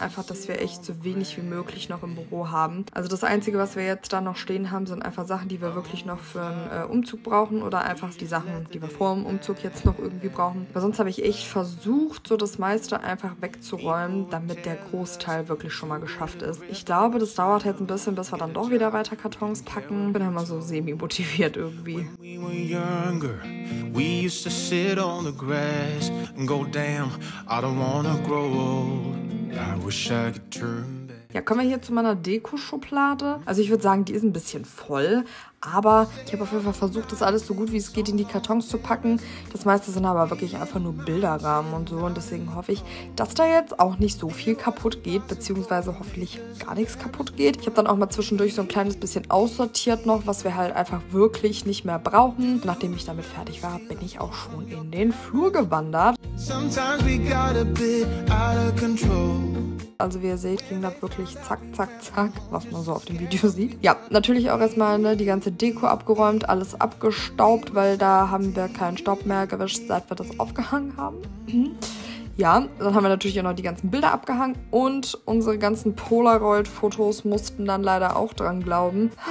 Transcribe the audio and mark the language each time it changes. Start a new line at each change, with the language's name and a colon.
German: Einfach, dass wir echt so wenig wie möglich noch im Büro haben. Also das Einzige, was wir jetzt da noch stehen haben, sind einfach Sachen, die wir wirklich noch für einen Umzug brauchen oder einfach die Sachen, die wir vor dem Umzug jetzt noch irgendwie brauchen. Weil sonst habe ich echt versucht, so das meiste einfach wegzuräumen, damit der Großteil wirklich schon mal geschafft ist. Ich glaube, das dauert jetzt ein bisschen, bis wir dann doch wieder weiter Kartons packen. Bin immer so semi-motiviert irgendwie.
English: When we were younger, we used to sit on the grass and go, damn, I don't wanna grow old. I wish I could turn.
German: Ja, kommen wir hier zu meiner Deko-Schublade. Also ich würde sagen, die ist ein bisschen voll. Aber ich habe auf jeden Fall versucht, das alles so gut wie es geht in die Kartons zu packen. Das meiste sind aber wirklich einfach nur Bilderrahmen und so. Und deswegen hoffe ich, dass da jetzt auch nicht so viel kaputt geht. Beziehungsweise hoffentlich gar nichts kaputt geht. Ich habe dann auch mal zwischendurch so ein kleines bisschen aussortiert noch, was wir halt einfach wirklich nicht mehr brauchen. Nachdem ich damit fertig war, bin ich auch schon in den Flur gewandert.
English: Sometimes we got a bit out of control.
German: Also wie ihr seht, ging das wirklich zack, zack, zack, was man so auf dem Video sieht. Ja, natürlich auch erstmal ne, die ganze Deko abgeräumt, alles abgestaubt, weil da haben wir keinen Staub mehr gewischt, seit wir das aufgehangen haben. Ja, dann haben wir natürlich auch noch die ganzen Bilder abgehangen und unsere ganzen Polaroid-Fotos mussten dann leider auch dran glauben.